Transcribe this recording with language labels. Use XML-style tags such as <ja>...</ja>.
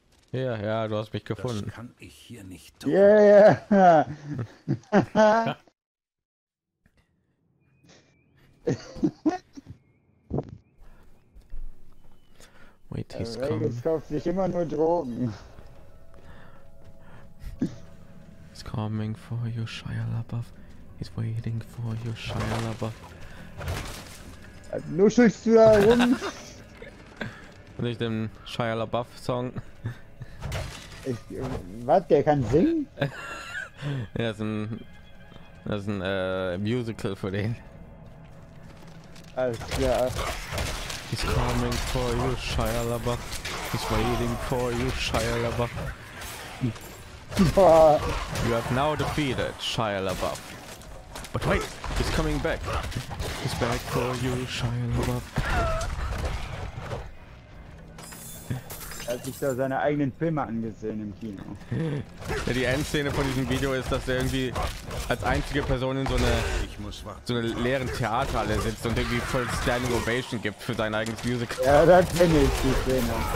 <de>Ja, ja, du hast mich gefunden. Das kann ich hier nicht tun. Ja, yeah, ja.</de> <en>Wait, he's coming.</en> <de>Jetzt kauft sich immer nur Drogen.</de> <en>He's coming for you, Shia LaBeouf. He's waiting for you, Shia LaBeouf.</en> <de>Nuschelst du da rum? Und ich den Shia LaBeouf Song. Was? Der kann singen? Das ist ein Musical für den. Alles klar.</de> <en>He's coming for you, Shia LaBeouf. He's waiting for you, Shia LaBeouf. You have now defeated Shia LaBeouf. But wait, he's coming back. He's back for you, Shia LaBeouf.</en> <de>Er hat sich da seine eigenen Filme angesehen im Kino. Ja, die Endszene von diesem Video ist, dass er irgendwie als einzige Person in so eine leeren Theaterhalle sitzt und irgendwie voll Standing Ovation gibt für sein eigenes Musical. Ja, da kenne ich die Szene.</de>